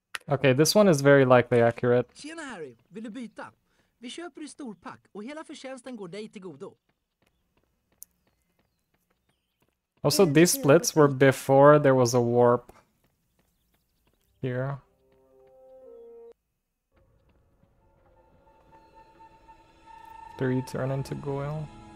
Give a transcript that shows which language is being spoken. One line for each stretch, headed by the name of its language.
English: Okay, this one is very likely accurate.
Swedish: Tjena Harry, vill du byta? Vi köper i storpack och hela förtjänsten går dig till godo.
English: Also, these splits were before there was a warp here. Three turn into Goyle.